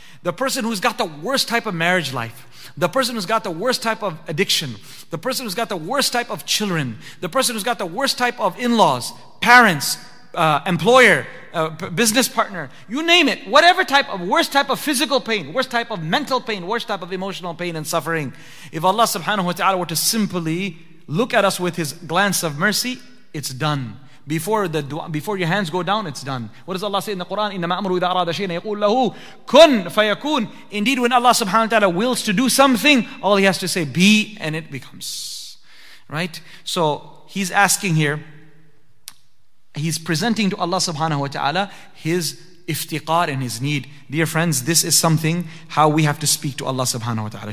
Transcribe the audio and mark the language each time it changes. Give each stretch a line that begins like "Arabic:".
English: The person who's got the worst type of marriage life, the person who's got the worst type of addiction, the person who's got the worst type of children, the person who's got the worst type of in-laws, parents, employer, business partner, you name it, whatever type of worst type of physical pain, worst type of mental pain, worst type of emotional pain and suffering, if Allah subhanahu wa ta'ala were to simply look at us with His glance of mercy, it's done. Before your hands go down, it's done. What does Allah say in the Quran?
Arabic: إِنَّمَا أَمْرُهُ إِذَا أَرَادَ شَيْئًا يَقُولُ لَهُ كُنْ فَيَكُونَ.
English: Indeed, when Allah subhanahu wa ta'ala wills to do something, all He has to say, be, and it becomes. Right? So, He's asking here, He's presenting to Allah subhanahu wa ta'ala His iftiqar and His need. Dear friends, this is something how we have to speak to Allah subhanahu wa ta'ala.